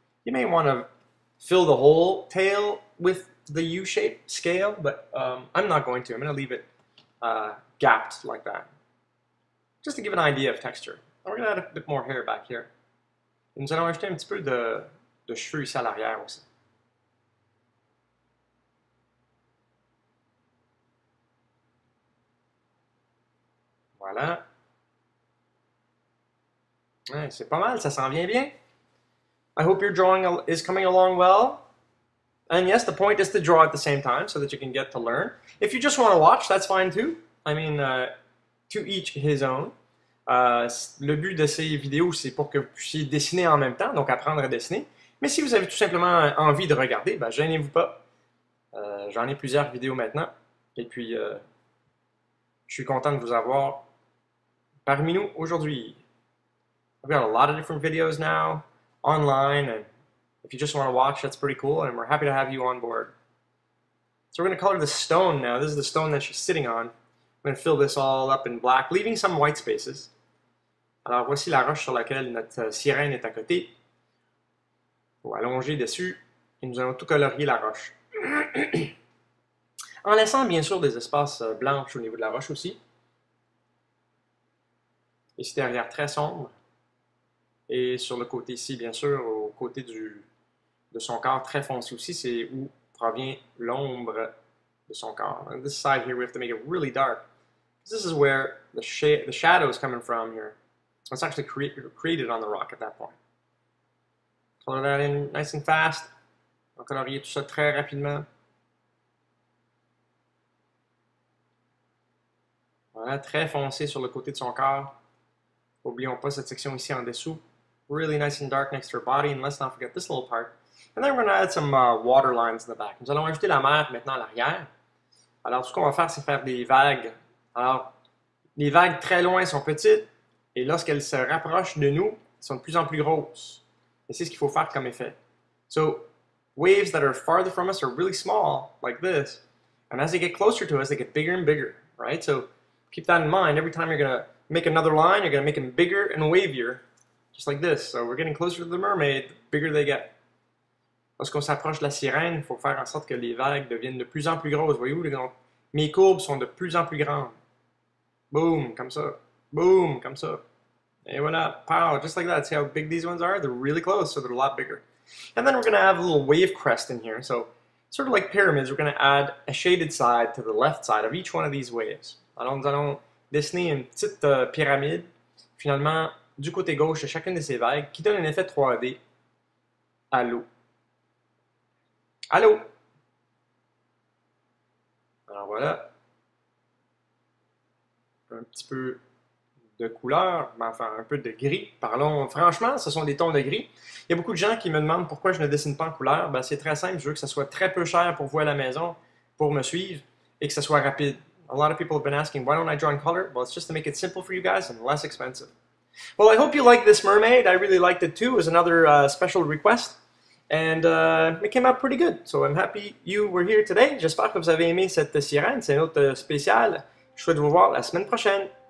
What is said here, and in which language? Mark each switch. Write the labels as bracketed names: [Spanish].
[English] You may want to fill the whole tail with the U-shape scale, but I'm not going to. I'm going to leave it gapped like that. Just to give an idea of texture. And we're going to add a bit more hair back here. [French] Nous allons ajouter un petit peu de cheveux ici à l'arrière aussi. Voilà. Ouais, c'est pas mal, ça s'en vient bien. [English] I hope your drawing is coming along well. And yes, the point is to draw at the same time so that you can get to learn. If you just want to watch, that's fine too. I mean, to each his own. [French] Le but de ces vidéos, c'est pour que vous puissiez dessiner en même temps, donc apprendre à dessiner. Mais si vous avez tout simplement envie de regarder, ben, gênez-vous pas. J'en ai plusieurs vidéos maintenant. Et puis, je suis content de vous avoir parmi nous aujourd'hui. [English] I've got a lot of different videos now, online, and if you just want to watch, that's pretty cool, and we're happy to have you on board. So we're going to color the stone now. This is the stone that she's sitting on. I'm going to fill this all up in black, leaving some white spaces. [French] Alors voici la roche sur laquelle notre sirène est à côté. On va allonger dessus et nous allons tout colorier la roche. En laissant bien sûr des espaces blanches au niveau de la roche aussi. Ici derrière très sombre. Et sur le côté ici, bien sûr, au côté de son corps très foncé aussi, c'est où provient l'ombre de son corps. [English] And this side here, we have to make it really dark. This is where the shadow is coming from here. It's actually created on the rock at that point. Color that in nice and fast. [French] On va colorier tout ça très rapidement. Voilà, très foncé sur le côté de son corps. N'oublions pas cette section ici en dessous. [English] Really nice and dark next to her body, and let's not forget this little part. And then we're going to add some water lines in the back. [French] Nous allons ajouter la mer maintenant à l'arrière. Alors, ce qu'on va faire, c'est faire des vagues. Alors, les vagues très loin sont petites, et lorsqu'elles se rapprochent de nous, sont de plus en plus grosses. Et c'est ce qu'il faut faire comme effet. [English] So, waves that are farther from us are really small, like this, and as they get closer to us, they get bigger and bigger, right? So, keep that in mind. Every time you're going to make another line, you're going to make them bigger and wavier. Just like this. So we're getting closer to the mermaid, the bigger they get. [French] Lorsqu'on s'approche de la sirène, il faut faire en sorte que les vagues deviennent de plus en plus grosses. Voyez-vous, mes courbes sont de plus en plus grandes. Boom, comme ça. Boom, comme ça. Et voilà, [English] pow, just like that. See how big these ones are? They're really close, so they're a lot bigger. And then we're going to have a little wave crest in here. So, sort of like pyramids, we're going to add a shaded side to the left side of each one of these waves. [French] Alors, nous allons dessiner une petite pyramide. Finalement, du côté gauche de chacune de ces vagues qui donne un effet 3D à l'eau. À l'eau! Alors voilà. Un petit peu de couleur, mais enfin un peu de gris. Parlons franchement, ce sont des tons de gris. Il y a beaucoup de gens qui me demandent pourquoi je ne dessine pas en couleur. Ben, c'est très simple, je veux que ça soit très peu cher pour vous à la maison, pour me suivre et que ça soit rapide. [English] A lot of people have been asking, why don't I draw in color? Well, it's just to make it simple for you guys and less expensive. Well, I hope you like this mermaid. I really liked it too. It was another special request. And it came out pretty good. So I'm happy you were here today. [French] J'espère que vous avez aimé cette sirène. C'est une autre spéciale. Je souhaite vous voir la semaine prochaine.